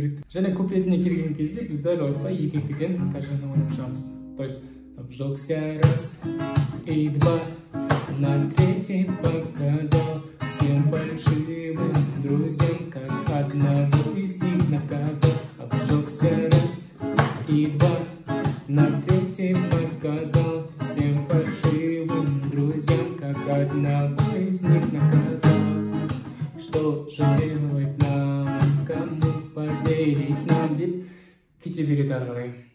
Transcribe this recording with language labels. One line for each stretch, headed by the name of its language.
Kazakh: Және куплетіне келген кезде біз дәл осылай екіншіден қажаны ойнап шығамыз.
Russian: То есть, обжегся раз и два, на третий показал всем большим друзьям, как одного из них наказал. Обжегся раз и два, на третий показал всем большим друзьям, как одного из них наказал. Что же делать нам, кому? Поверить нам,
Kazakh: деп кете береді ары қарай.